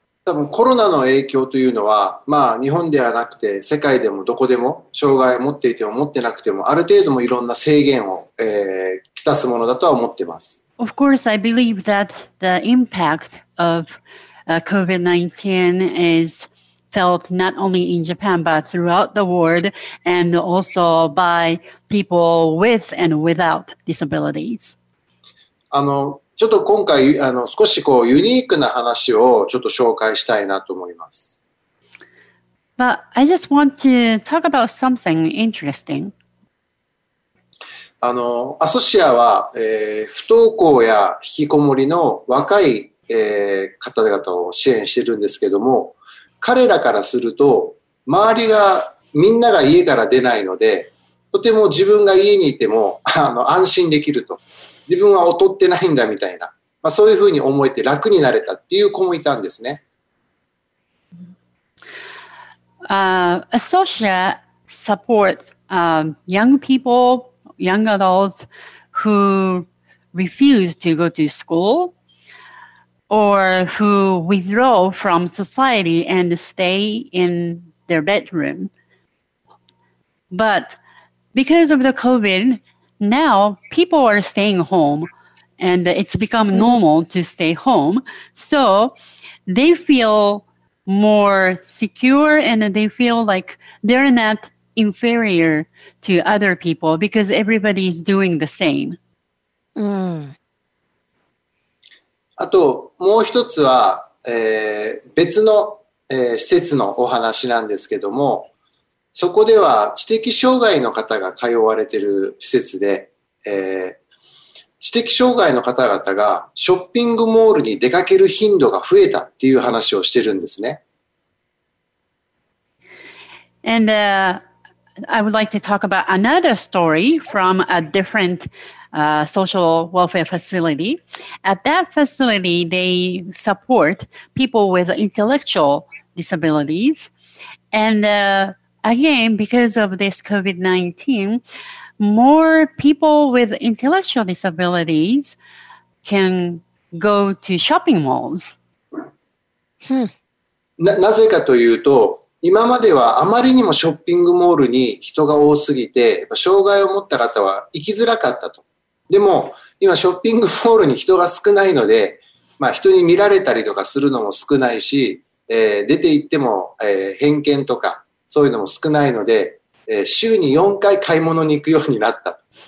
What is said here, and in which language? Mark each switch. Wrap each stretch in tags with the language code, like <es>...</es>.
<ja>多分コロナの影響というのは、まあ日本ではなくて世界でもどこでも障害を持っていても持ってなくてもある程度もいろんな制限を、来たすものだとは思ってます。</ja> <en>Of course, I believe that the impact of COVID-19 is felt not only in Japan, but throughout the world, and also by people with and without disabilities.</en> <ja>ちょっと今回、少しこうユニークな話をちょっと紹介したいなと思います。</ja> <en>But I just want to talk about something interesting.</en> <ja>アソシアは、不登校や引きこもりの若い、方々を支援してるんですけども、彼らからすると、周りがみんなが家から出ないので、とても自分が家にいても安心できると。自分は劣ってないんだみたいな、まあ、そういうふうに思えて楽になれたっていう子もいたんですね。</ja> <en>アソシアサポート、young people、young adults who refuse to go to school or who withdraw from society and stay in their bedroom. But because of the COVID, now people are staying home and it's become normal to stay home. So they feel more secure and they feel like they're not inferior to other people because everybody is doing the same.</en> <ja>あともう一つは、別の、施設のお話なんですけども、そこでは知的障害の方が通われている施設で、知的障害の方々がショッピングモールに出かける頻度が増えたっていう話をしてるんですね。</ja> <en>And I would like to talk about another story from a different social welfare facility. At that facility, they support people with intellectual disabilities. And again, because of this COVID-19, more people with intellectual disabilities can go to shopping malls.</en> <ja>なぜかというと、今まではあまりにもショッピングモールに人が多すぎて、障害を持った方は行きづらかったと。でも今ショッピングモールに人が少ないので、まあ人に見られたりとかするのも少ないし、出て行っても、偏見とかそういうのも少ないので、週に4回買い物に行くようになった。</ja>